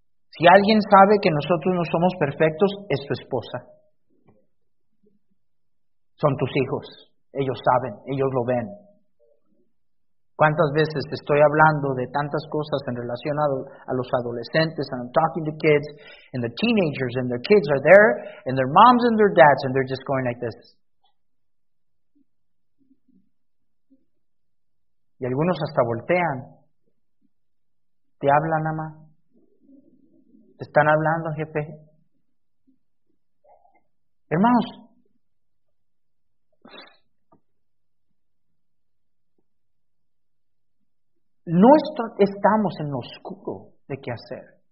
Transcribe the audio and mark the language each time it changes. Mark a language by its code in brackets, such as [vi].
[es] Si alguien sabe que nosotros no somos perfectos, es su esposa. Son tus hijos. Ellos saben, ellos lo ven. ¿Cuántas veces estoy hablando de tantas cosas en relación a los adolescentes? [en] And I'm talking to kids and the teenagers and their kids are there and their moms and their dads and they're just going like this. [es] Y algunos hasta voltean. Te hablan, mamá. Te están hablando, jefe. Hermanos, no estamos en lo oscuro de qué hacer.